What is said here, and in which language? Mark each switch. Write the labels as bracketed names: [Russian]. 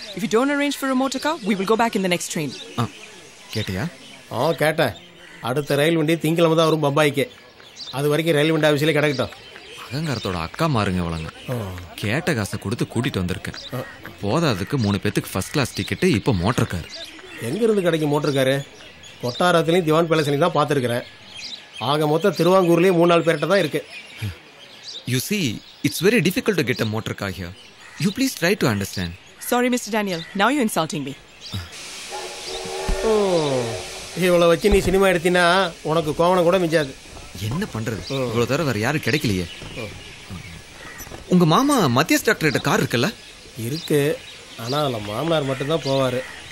[English] If you don't arrange for a motor car, we will go back in the next train. Ketya? Oh, Keta. [Tamil] அடுத்த ரயில் வண்டி திங்கலமா தான் வரும் பம்பாய்க்கு. அது வரைக்கும் ரயில் வண்டி ஆபீஸ்ல கிடக்கட்டும். அகங்காரத்தோட அக்கா மாருங்க இவளங்க. கேட்ட காசை கொடுத்து கூட்டிட்டு வந்திருக்கேன். போதாதுக்கு 3 பேத்துக்கு ஃபர்ஸ்ட் கிளாஸ் டிக்கெட்டு, இப்ப மோட்டர் கார். எங்க இருந்து கிடைக்கும் மோட்டர் காரு? கொட்டாரத்திலையும் திவான் பேலஸ்லையும் தான் பார்த்துருக்கிறேன். ஆக மொத்த திருவாங்கூர்லயே 3-4 பேர்கிட்ட தான் இருக்கு. [English] You see, it's very difficult to get a motor car here. You please try to understand. Sorry, Mr. Daniel. Now you're insulting me. [Tamil] Oh, இவ்வளவு வச்சு நீ சினிமா எடுத்தினா உனக்கு கோவணம் கூட மிஞ்சாது. என்ன பண்றது? இவ்வளவு தர வேற யாரும் கிடைக்கலையே. உங்க மாமா மத்தியஸ் டாக்டர்கிட்ட கார் இருக்குல்ல? இருக்கு. ஆனா நம்ம மாமனார் மட்டும்தான் போவாரு.